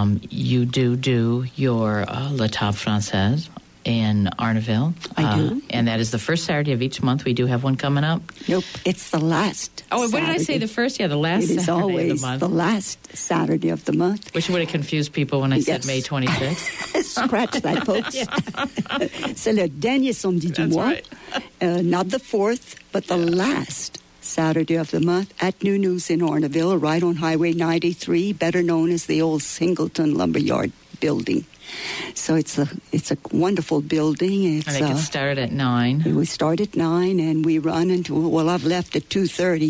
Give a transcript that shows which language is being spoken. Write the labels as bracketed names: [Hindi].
[English] You do your La Table Française in Arneville. I do. And that is the first Saturday of each month. We do have one coming up. Nope, it's the last Saturday. What did I say? The first? Yeah, the last Saturday of the month. It is always the last Saturday of the month. Which would have confused people when I said May 26th. Scratch that, folks. <Yeah. [French] laughs> C'est le dernier samedi du mois. [English] Right. Not the fourth, but the last Saturday of the month at Nunu's in Arneville, right on Highway 93, better known as the old Singleton Lumberyard building. So it's a wonderful building. It started at 9. We start at 9 and we run until I've left at 2:30.